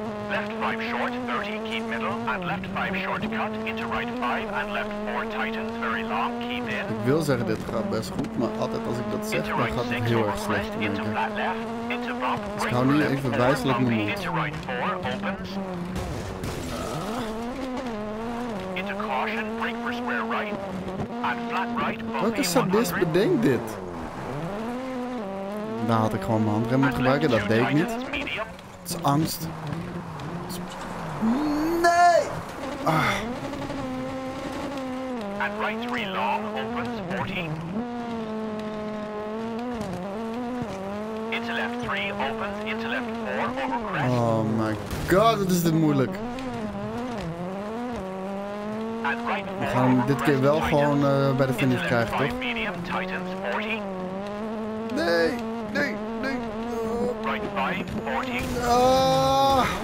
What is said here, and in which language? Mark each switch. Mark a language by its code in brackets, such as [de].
[en] Left 5 short, 30, keep middle, and left 5 short cut, into right 5, and left 4 tightens, very long, keep in. [nl] Ik wil zeggen, dit gaat best goed, maar altijd als ik dat zeg, dan gaat het heel erg slecht. [en] Into flat left, into bump, [nl] dus ik hou nu even wijselijk mijn mond. [en] Into right 4, opens. Into caution, break for square right, and flat right, bump. [nl] Welke sadist bedenkt dit? Daar had ik gewoon mijn handrem moeten gebruiken, dat deed ik niet. Het is angst. Nee! Ah. [en] And right 3 long opens 14. Into left 3 opens into left 4 over crest. Oh my god, [nl] wat is dit moeilijk. [en] Right, [nl] we gaan dit keer wel gewoon bij de finish krijgen, toch? [en] Medium, tightens, 40. [nl] Nee! Nee! Nee! [en] Right 5, 40. Ah.